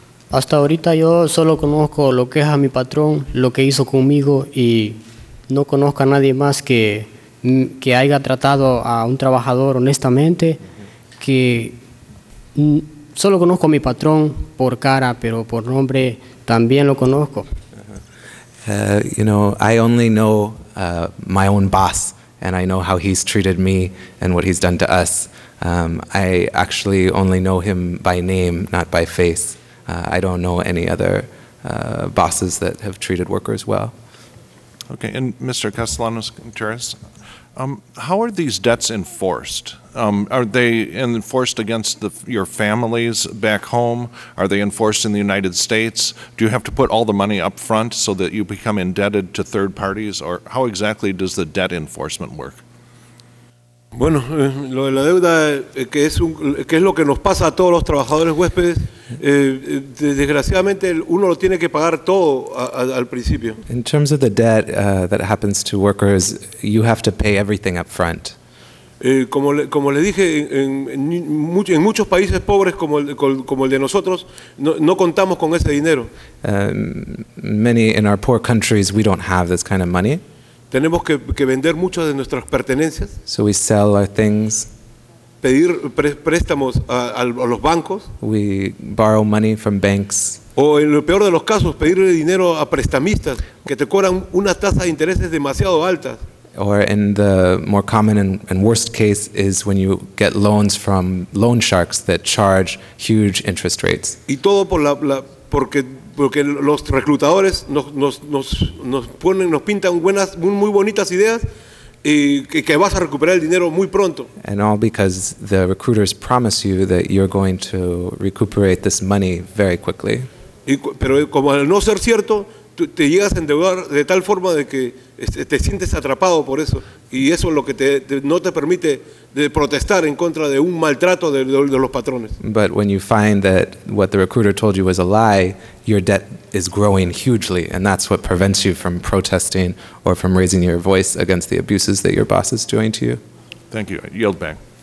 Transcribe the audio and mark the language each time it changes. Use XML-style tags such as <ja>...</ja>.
<es>Hasta ahorita yo solo conozco lo que es a mi patrón, lo que hizo conmigo y no conozco a nadie más que haya tratado a un trabajador honestamente que solo conozco a mi patrón por cara, pero por nombre también lo conozco.</es> <en>You know, I only know my own boss, and I know how he's treated me and what he's done to us. I actually only know him by name, not by face. I don't know any other bosses that have treated workers well. Okay, and Mr. Castellanos-Contreras, how are these debts enforced? Are they enforced against your families back home? Are they enforced in the United States? Do you have to put all the money up front so that you become indebted to third parties? Or how exactly does the debt enforcement work?</en> <es>Bueno, lo de la deuda, que es lo que nos pasa a todos los trabajadores huéspedes, desgraciadamente uno lo tiene que pagar todo al principio.</es> <en>In terms of the debt that happens to workers, you have to pay everything up front.</en> <es>Como le dije, en muchos países pobres como el de nosotros, no contamos con ese dinero.</es> <en>Many in our poor countries, we don't have this kind of money.</en> <es>Tenemos que vender muchas de nuestras pertenencias.</es> <en>So we sell our things.</en> <es>Pedir préstamos a los bancos.</es> <en>We borrow money from banks.</en> <es>O en lo peor de los casos, pedirle dinero a prestamistas que te cobran una tasa de intereses demasiado alta.</es> <en>Or in the more common and worst case is when you get loans from loan sharks that charge huge interest rates.</en> <es>Y todo por porque los reclutadores nos pintan buenas, muy bonitas ideas y que vas a recuperar el dinero muy pronto.</es> <en>And all because the recruiters promise you that you're going to recuperate this money very quickly.</en> <es>Pero como al no ser cierto, te llegas a endeudar de tal forma de que te sientes atrapado por eso. Y eso es lo que no te permite de protestar en contra de un maltrato de los patrones.</es> <en>But when you find that what the recruiter told you was a lie, your debt is growing hugely, and that's what prevents you from protesting or from raising your voice against the abuses that your boss is doing to you. Thank you. Yield back.</en>